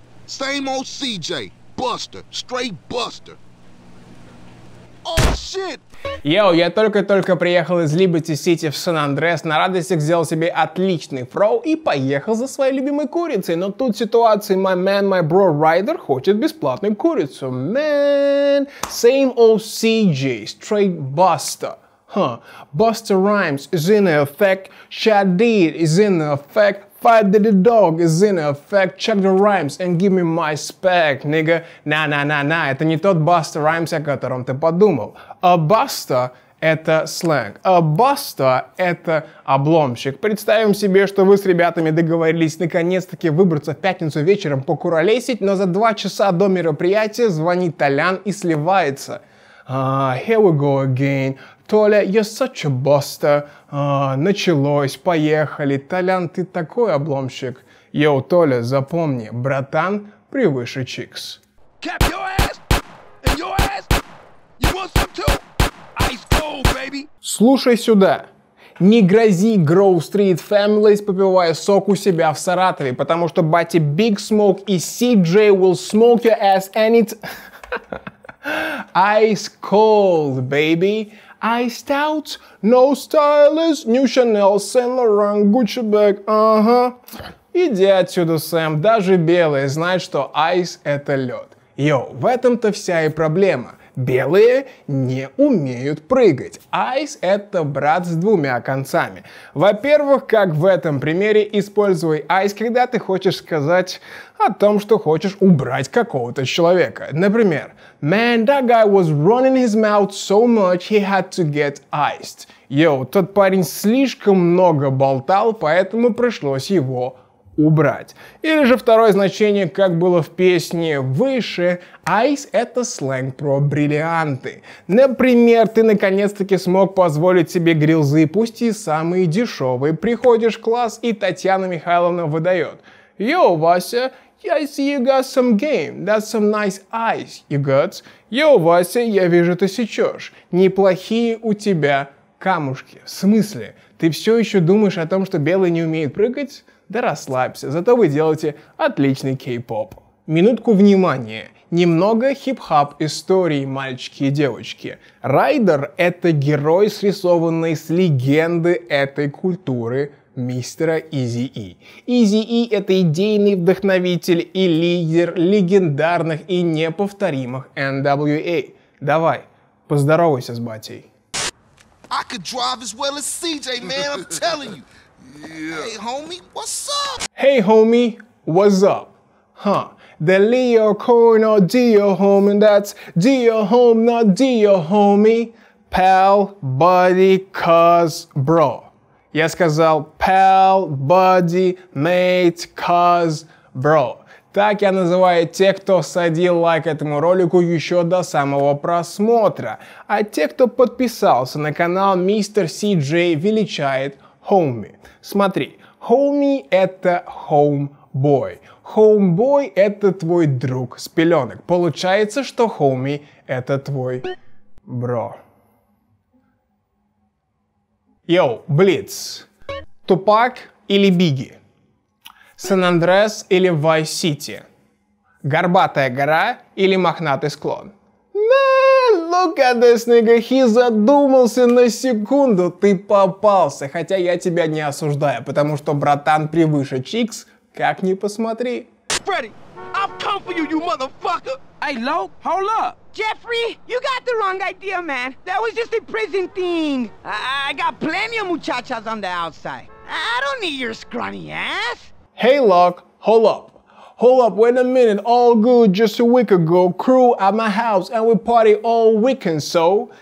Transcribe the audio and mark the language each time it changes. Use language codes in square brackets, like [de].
[en] Same old CJ. Buster. Straight Buster. Oh, shit. [ru] Йоу, я только-только приехал из Либерти-Сити в Сан-Андреас, на радостях сделал себе отличный фроу и поехал за своей любимой курицей. Но тут ситуация, [en] my man, my bro, [ru] Райдер хочет бесплатную курицу. [en] Man, same old CJ. Straight Buster. Busta Rhymes is in effect, Shadid is in effect, Five Diddy Dog is in effect, check the rhymes and give me my spec, nigga. [ru] На-на-на-на, это не тот Busta Rhymes, о котором ты подумал. A Busta — это сленг. A Busta — это обломщик. Представим себе, что вы с ребятами договорились наконец-таки выбраться в пятницу вечером покуролесить, но за 2 часа до мероприятия звонит Толян и сливается. [en] Here we go again. Толя, you're such a buster. [ru] Началось, поехали. Толян, ты такой обломщик. Йоу, Толя, запомни, братан превыше чикс. [en] Cap your ass and your ass. You want some too? Ice cold, baby. [ru] Слушай сюда. Не грози Grove Street Families, попивая сок у себя в Саратове, потому что бати Big Smoke и CJ [en] will smoke your ass and it... Ice cold, baby. Iced out, no stylist, new Chanel, Saint Laurent, Gucci bag, [ru] Иди отсюда, Сэм, даже белые знают, что ice — это лед. Йоу, в этом-то вся и проблема. Белые не умеют прыгать. Ice — это брат с двумя концами. Во-первых, как в этом примере, используй ice, когда ты хочешь сказать о том, что хочешь убрать какого-то человека. [en] Например, man, that guy was running his mouth so much, he had to get iced. [ru] Йо, тот парень слишком много болтал, поэтому пришлось его убрать. Или же второе значение, как было в песне выше, ice — это сленг про бриллианты. Например, ты наконец-таки смог позволить себе грилзы, пусть и самые дешевые. Приходишь в класс, и Татьяна Михайловна выдает. [en] Йо, Вася, I see you got some game, that's some nice ice you got. [ru] Йо, Вася, я вижу, ты сечешь. Неплохие у тебя камушки. В смысле? Ты все еще думаешь о том, что белые не умеют прыгать? Да расслабься, зато вы делаете отличный кей-поп. Минутку внимания. Немного хип-хап истории, мальчики и девочки. Райдер — это герой, срисованный с легенды этой культуры, мистера Изи-И. Изи-И — это идейный вдохновитель и лидер легендарных и неповторимых NWA. Давай, поздоровайся с батей. [en] I could drive as well as CJ, man, I'm telling you. Yeah. Hey, homie, what's up? The Leo coin or Dio, homie, that's Dio, home, not Dio, homie. Pal, buddy, cuz, bro. [ru] Я сказал [en] pal, buddy, mate, cuz, bro. [ru] Так я называю тех, кто садил лайк этому ролику еще до самого просмотра. А те, кто подписался на канал, мистер Си Джей величает homie. Смотри, homie — это homeboy. Homeboy — это твой друг с пеленок. Получается, что homie — это твой бро. Йоу, Блиц. Тупак или Бигги? Сан-Андреас или Вайс-Сити? Горбатая гора или мохнатый склон? [en] Look at this nigga, he [ru] задумался на секунду, ты попался, хотя я тебя не осуждаю, потому что братан превыше чикс, как ни посмотри. [en] Freddy, I've come for you, you motherfucker! Hey, Low, hold up! Jeffrey, you got the wrong idea, man. That was just a prison thing. I got plenty of muchachas on the outside. I don't need your scrawny ass. Hey, Low, hold up. Hold up, wait a minute, all good, just a week ago, crew at my house, and we party all weekend, so...